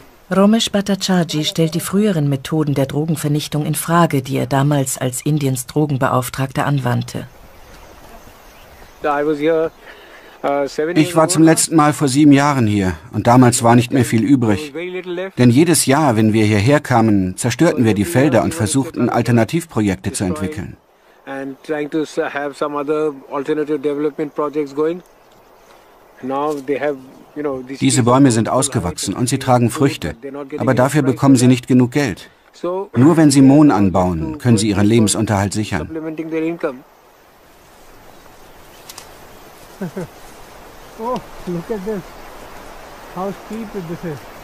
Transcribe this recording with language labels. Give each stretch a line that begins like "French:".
German: Ramesh Bhattacharji stellt die früheren Methoden der Drogenvernichtung in Frage, die er damals als Indiens Drogenbeauftragter anwandte. Ich war zum letzten Mal vor 7 Jahren hier und damals war nicht mehr viel übrig. Denn jedes Jahr, wenn wir hierher kamen, zerstörten wir die Felder und versuchten, Alternativprojekte zu entwickeln.
English: and trying to have some other alternative development projects going. Now they have, you know,
German: diese Bäume sind ausgewachsen und sie tragen Früchte, aber dafür bekommen sie nicht genug Geld. Nur wenn sie Mohn anbauen, können sie ihren Lebensunterhalt sichern.
English: Oh, look at this. How steep this is.